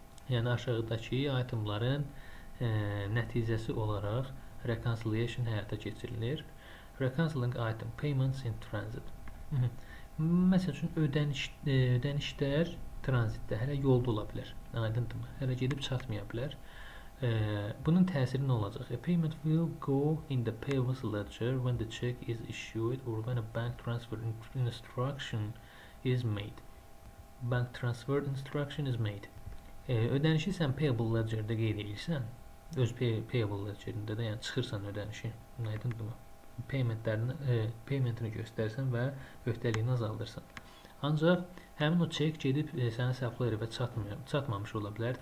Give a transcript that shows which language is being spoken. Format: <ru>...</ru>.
<az>Yəni, aşağıdakı itemların nəticəsi olaraq reconciliation həyata keçirilir.</az> <en>Reconciling item, payments in transit.</en> <az>Məsəl üçün, ödənişlər transitdə hələ yolda ola bilər. Aydındır mı? Hələ gedib çatmaya bilər. Bunun təsiri nə olacaq?</az> <en>A payment will go in the payables ledger when the check is issued or when a bank transfer instruction is made. Bank transfer instruction is made.</en> <az>Ödənişi sən payable ledger-də qeyd edirsən, öz payable ledger-ində də, yəni çıxırsan ödənişi, aydındır mı? Paymentini göstərsən və öhdəliyini azaldırsan. Ancaq həmin o çek gedib sənə supplier-ə çatmamış ola bilər.</az>